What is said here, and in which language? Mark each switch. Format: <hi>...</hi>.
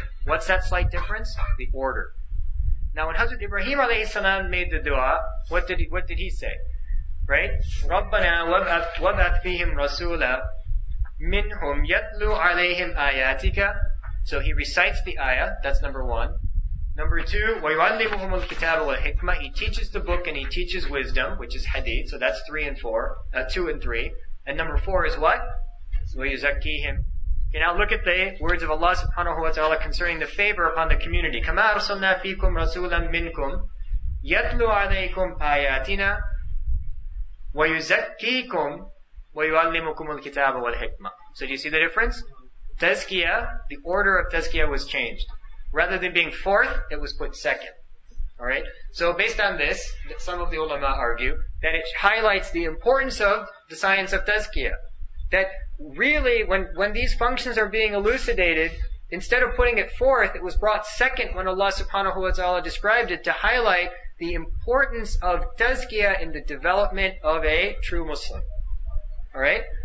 <en>What's that slight difference? The order. Now when Hazrat Ibrahim alayhi salam made the dua, what did he say? Right?</en> <ar>رَبَّنَا وَبَعْثْ فِيهِمْ رَسُولًا مِّنْهُمْ يَتْلُوا عَلَيْهِمْ آيَاتِكَ.</ar> <en>So he recites the ayah, that's number one. Number two,</en> <ar>وَيُعَلِّمُهُمُ الْكِتَابَ وَالْحِكْمَةِ.</ar> <en>He teaches the book and he teaches wisdom, which is hadith, so that's two and three. And number four is what? وَيُزَكِّيهِمْ. Okay, now look at the words of Allah subhanahu wa ta'ala concerning the favor upon the community.</en> <ar>كَمَا أَرْسَلْنَا فِيكُمْ رَسُولًا مِّنْكُمْ يَتْلُوا عَلَيْكُمْ آيَاتِنَا وَيُزَكِّيكُمْ ويعلمكم الكتاب والحكمة.</ar> <en>So do you see the difference? Tazkiyah, the order of Tazkiyah was changed. Rather than being fourth, it was put second. Alright? So based on this, some of the ulama argue that it highlights the importance of the science of Tazkiyah. That really, when these functions are being elucidated, instead of putting it fourth, it was brought second when Allah subhanahu wa ta'ala described it to highlight the importance of Tazkiyah in the development of a true Muslim. Alright?</en>